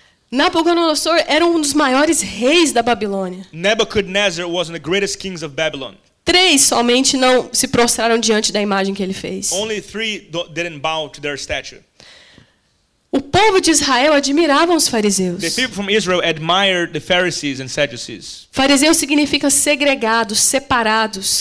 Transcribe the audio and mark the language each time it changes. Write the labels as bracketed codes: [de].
[pt] Nabucodonosor era um dos maiores reis da Babilônia. [en] Nebuchadnezzar was one of the greatest kings of Babylon. [pt] Três somente não se prostraram diante da imagem que ele fez. [en] Only three didn't bow to their statue. [pt] O povo de Israel admirava os fariseus. [en] The people from Israel admired the Pharisees and Sadducees. [pt] Fariseus significa segregados, separados.